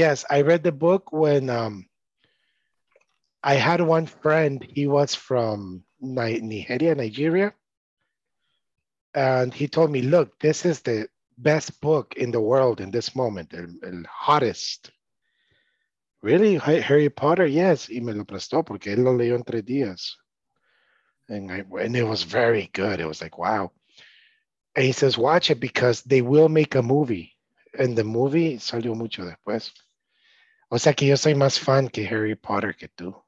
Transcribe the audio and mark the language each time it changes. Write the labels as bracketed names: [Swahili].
[English] I read the book when I had one friend. He was from Nigeria. And he told me, look, this is the best book in the world in this moment, the hottest. Really? Harry Potter? Yes. [Spanish] Y me lo prestó porque él lo leyó en tres días. [English] And it was very good. It was like, wow. And he says, watch it because they will make a movie. And the movie [Spanish] salió mucho después. O sea que yo soy más fan que Harry Potter que tú.